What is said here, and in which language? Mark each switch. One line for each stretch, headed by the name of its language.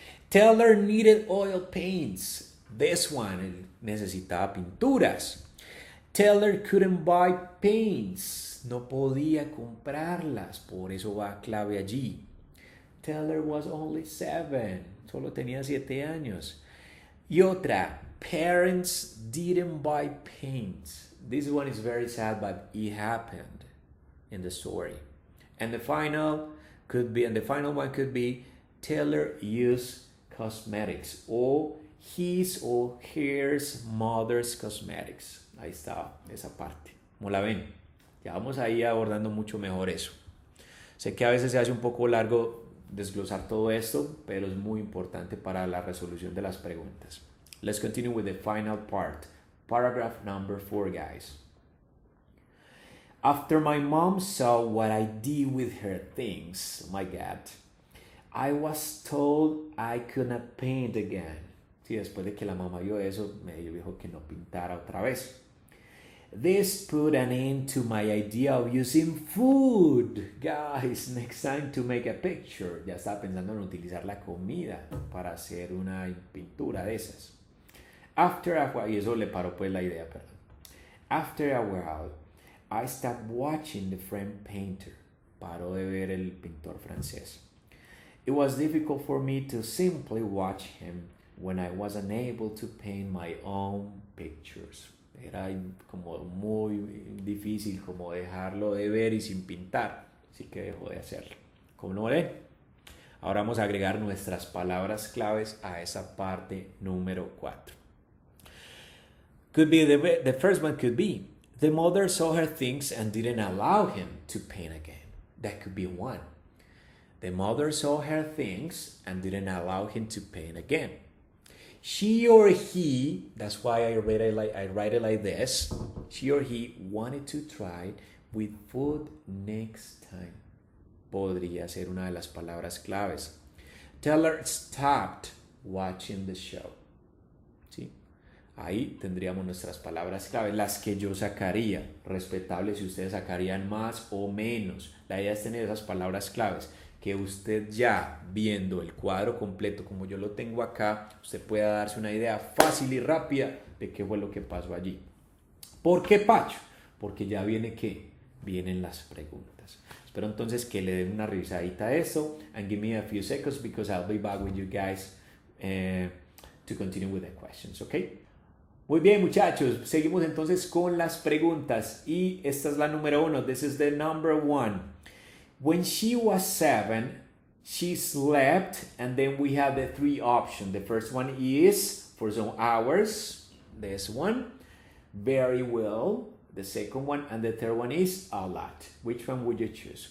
English: Teller needed oil paints. This one,
Spanish: necesitaba pinturas.
English: Teller couldn't buy paints.
Spanish: No podía comprarlas. Por eso va clave allí.
English: Teller was only 7.
Spanish: Solo tenía 7 años. Y otra.
English: Parents didn't buy paints. This one is very sad, but it happened in the story. And the final could be, and the final one could be, Taylor used cosmetics or his or her mother's cosmetics.
Spanish: Ahí está esa parte. ¿Cómo la ven? Ya vamos ahí abordando mucho mejor eso. Sé que a veces se hace un poco largo desglosar todo esto, pero es muy importante para la resolución de las preguntas.
English: Let's continue with the final part. Paragraph number 4, guys. After my mom saw what I did with her things, my God, I was told I could not paint again.
Spanish: Sí, después de que la mamá vio eso, me dijo que no pintara otra vez.
English: This put an end to my idea of using food. Guys, next time to make a picture.
Spanish: Ya estaba pensando en utilizar la comida para hacer una pintura de esas.
English: After a while,
Spanish: y eso le paró pues la idea, perdón.
English: After a while, I stopped watching the French painter.
Spanish: Paró de ver el pintor francés.
English: It was difficult for me to simply watch him when I was unable to paint my own pictures.
Spanish: Era como muy difícil como dejarlo de ver y sin pintar. Así que dejó de hacerlo. ¿Cómo no ve? Ahora vamos a agregar nuestras palabras claves a esa parte número 4.
English: Could be the first one could be, the mother saw her things and didn't allow him to paint again. That could be one. The mother saw her things and didn't allow him to paint again. She or he, that's why I write it like this, she or he wanted to try with food next time.
Spanish: Podría ser una de las palabras claves.
English: Teller stopped watching the show.
Spanish: Ahí tendríamos nuestras palabras clave, las que yo sacaría. Respetable si ustedes sacarían más o menos. La idea es tener esas palabras claves, que usted ya viendo el cuadro completo como yo lo tengo acá, usted pueda darse una idea fácil y rápida de qué fue lo que pasó allí. ¿Por qué, Pacho? Porque ya viene qué. Vienen las preguntas. Espero entonces que le den una revisadita a eso.
English: And give me a few seconds because I'll be back with you guys to continue with the questions, okay?
Spanish: Muy bien, muchachos, seguimos entonces con las preguntas y esta es la número 1.
English: This is the number 1. When she was 7, she slept and then we have the 3 options. The first one is for some hours, this one, very well, the second one and the third one is a lot. Which one would you choose?